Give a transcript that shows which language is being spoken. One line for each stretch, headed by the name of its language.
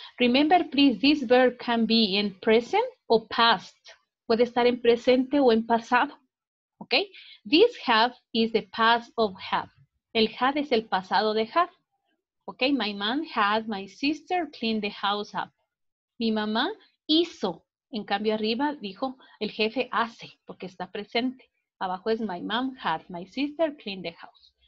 English: Remember, please, this verb can be in present or past.
Spanish: Puede estar en presente o en pasado. Ok.
English: This have is the past of have.
Spanish: El had es el pasado de have.
English: Ok, my man had my sister clean the house up.
Spanish: Mi mamá hizo. En cambio, arriba dijo, el jefe hace, porque está presente. Abajo es,
English: my mom had my sister clean the house.